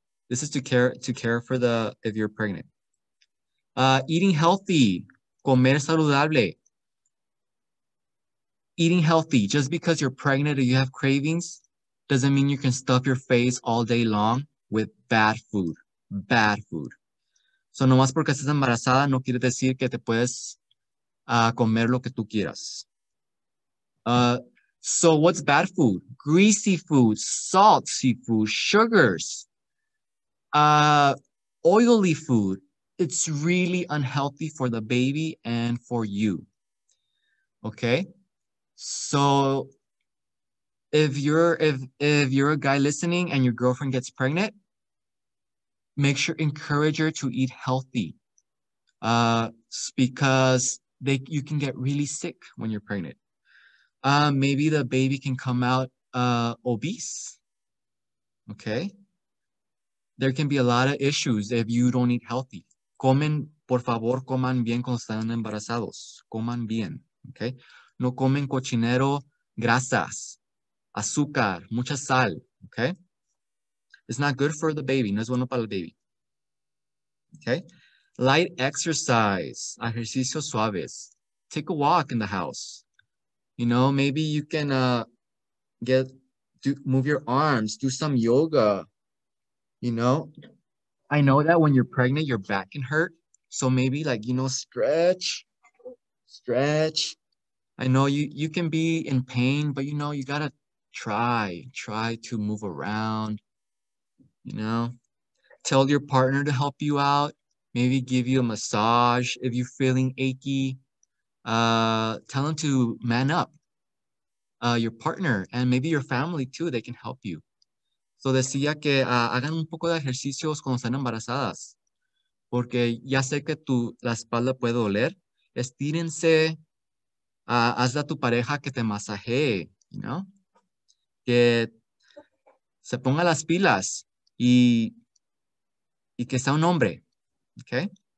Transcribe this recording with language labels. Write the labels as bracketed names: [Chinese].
[English] This is to care for the, if you're pregnant. Eating healthy, [Spanish] comer saludable. [English] Eating healthy, just because you're pregnant or you have cravings, doesn't mean you can stuff your face all day long with bad food. [Spanish] So nomás porque estás embarazada, no quiere decir que te puedes comer lo que tú quieras. [English] So what's bad food? Greasy food, salty food, sugars, oily food. It's really unhealthy for the baby and for you. Okay. So if you're a guy listening and your girlfriend gets pregnant, make sure, encourage her to eat healthy. Because you can get really sick when you're pregnant. Maybe the baby can come out obese. Okay. There can be a lot of issues if you don't eat healthy. [Spanish] Comen, por favor, coman bien cuando están embarazados. Coman bien. Okay. No comen cochinero, grasas, azúcar, mucha sal. Okay. [English] It's not good for the baby. [Spanish] No es bueno para el baby. [English] Okay. Light exercise, [Spanish] ejercicios suaves. [English] Take a walk in the house. You know, maybe you can move your arms, do some yoga, you know. I know that when you're pregnant, your back can hurt. So maybe like, you know, stretch. I know you can be in pain, but you know, you gotta try to move around, you know. Tell your partner to help you out. Maybe give you a massage if you're feeling achy. Tell them to man up. Your partner, and maybe your family too, they can help you. [Spanish] So decía que hagan un poco de ejercicios cuando están embarazadas. Porque ya sé que la espalda puede doler. Estírense, hazle a tu pareja que te masajee, [English] you know? [Spanish] Que se ponga las pilas y que sea un hombre, okay?